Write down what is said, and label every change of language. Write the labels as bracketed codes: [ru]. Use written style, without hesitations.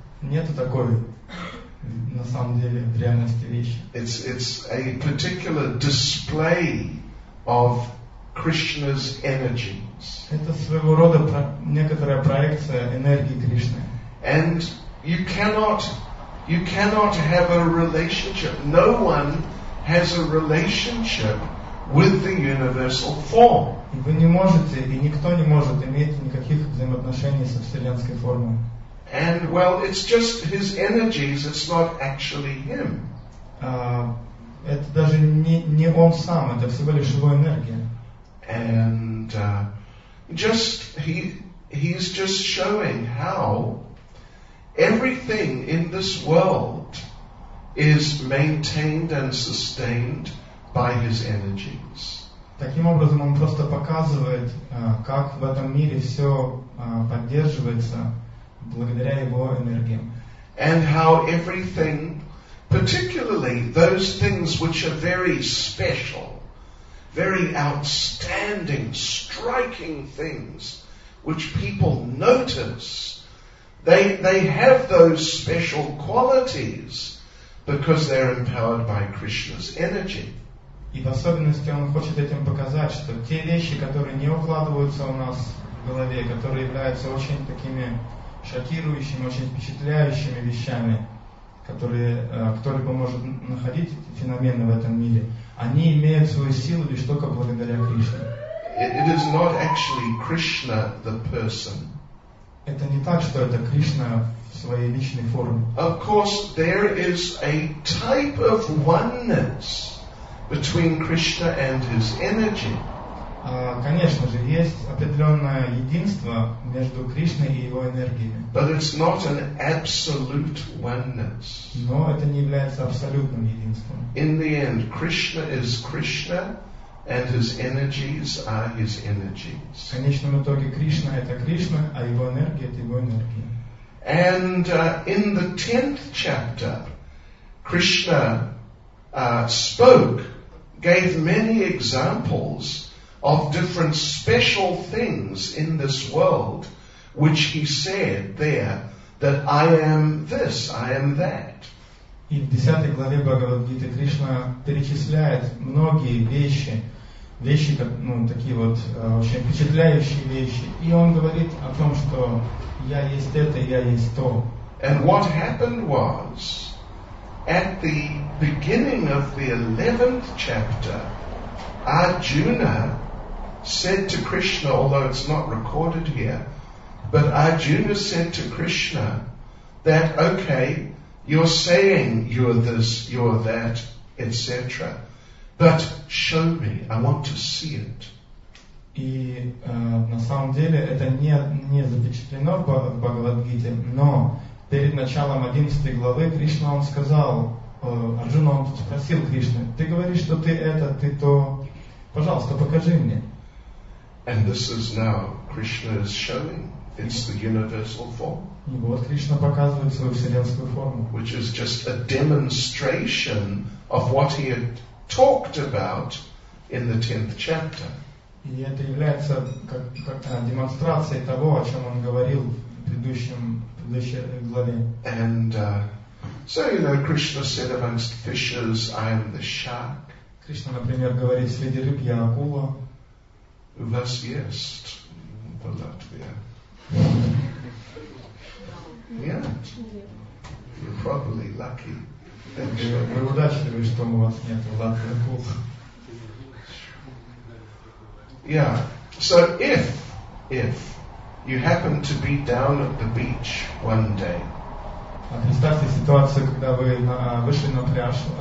[ru] Нету такой на самом деле в реальности вещи. [en] It's a particular display of Krishna's energies. [ru] Это своего рода некоторая проекция энергии Кришны. [en] And you cannot have a relationship. No one has a relationship with the universal form. [ru] И вы не можете, и никто не может иметь никаких взаимоотношений со вселенской формой. [en] And well, it's just his energies. It's not actually him. [ru] Это даже не он сам. Это всего лишь его энергия. [en] And he's just showing how everything in this world is maintained and sustained by his energies. [ru] Таким образом, он просто показывает, как в этом мире все поддерживается благодаря его энергиям. [en] And how everything, particularly those things which are very special, very outstanding, striking things, which people notice, they have those special qualities because they're empowered by Krishna's energy. [ru] И в особенности он хочет этим показать, что те вещи, которые не укладываются у нас в голове, которые являются очень такими шокирующими, очень впечатляющими вещами, которые кто-либо может находить эти феномены в этом мире, они имеют свою силу лишь только благодаря Кришне. [en] It is not actually Krishna the person. [ru] Это не так, что это Кришна в своей личной форме. [en] Of course, there is a type of oneness between Krishna and his energy. [ru] Конечно же, есть определенное единство между Кришной и его энергиями. [en] But it's not an absolute oneness. [ru] Но это не является абсолютным единством. [en] In the end, Krishna is Krishna, and his energies are his energies. [ru] В конечном итоге Кришна это Кришна, а его энергия это его энергия. [en] And in the 10th chapter, Krishna spoke. Gave many examples of different special things in this world, which he said there that I am this, I am that. [ru] И в 10 главе Бхагавад-гиты Кришна перечисляет многие вещи, ну такие вот очень впечатляющие вещи, и он говорит о том, что я есть это, я есть то. [en] And what happened was, at the beginning of the 11th chapter, Arjuna said to Krishna, although it's not recorded here, but Arjuna said to Krishna that, okay, you're saying you're this, you're that, etc. But show me, I want to see it. [ru] И на самом деле это не запечатлено в Бхагавад-гите, но перед началом 11 главы Кришна он сказал, Арджуна он спросил Кришну, ты говоришь, что ты это, ты то, пожалуйста, покажи мне. [en] And this is now Krishna is showing it's the universal form. [ru] И вот Кришна показывает свою вселенскую форму. [en] Which is just a demonstration of what he had talked about in the 10th chapter. [ru] И это является как-то демонстрацией того, о чем он говорил в предыдущем главе. [en] And so, you know, Krishna said amongst fishes, I am the shark. [ru] Кришна, например, говорит, среди рыб я акула. У вас есть в Латвии? Нет? [en] You're probably lucky. [ru] Вы удачливы, что у вас нет в Латвии акул. [en] Yeah. So if you happen to be down at the beach one day. [ru] Представьте ситуацию, когда вы вышли на пляж.